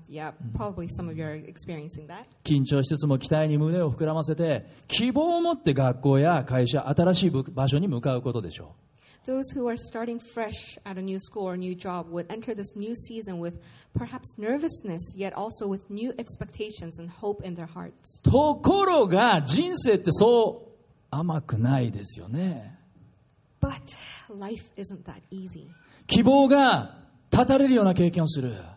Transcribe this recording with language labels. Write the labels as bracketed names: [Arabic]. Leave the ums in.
[English] yeah, probably some of you are experiencing that. [Japanese] 緊張しつつも期待に胸を膨らませて、希望を持って学校や会社、新しい場所に向かうことでしょう。 [English] Those who are starting fresh at a new school or new job would enter this new season with perhaps nervousness, yet also with new expectations and hope in their hearts. [Japanese] ところが人生ってそう甘くないですよね。 [English] But life isn't that easy. [Japanese] 希望が断たれるような経験をする。